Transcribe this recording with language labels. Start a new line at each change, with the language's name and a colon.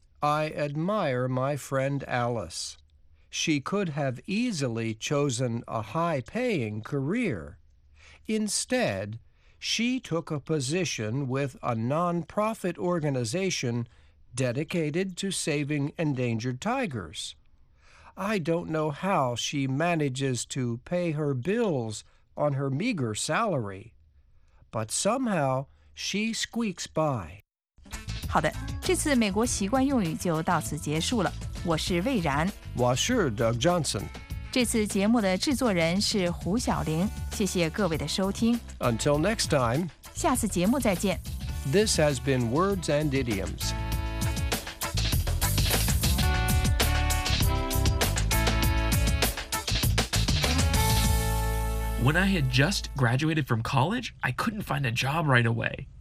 English: I admire my friend Alice. She could have easily chosen a high-paying career. Instead,She took a position with a non-profit organization dedicated to saving endangered tigers. I don't know how she manages to pay her bills on her meager salary, but somehow she squeaks by.
Chinese: 好的，这次美国习惯用语就到此结束了。我是魏然。我是 Doug Johnson。这次节目的制作人是胡晓玲，谢谢各位的收听。
English: Until next time，
Chinese: 下次节目再见。
English: This has been Words and Idioms. When I had just graduated from college, I couldn't find a job right away.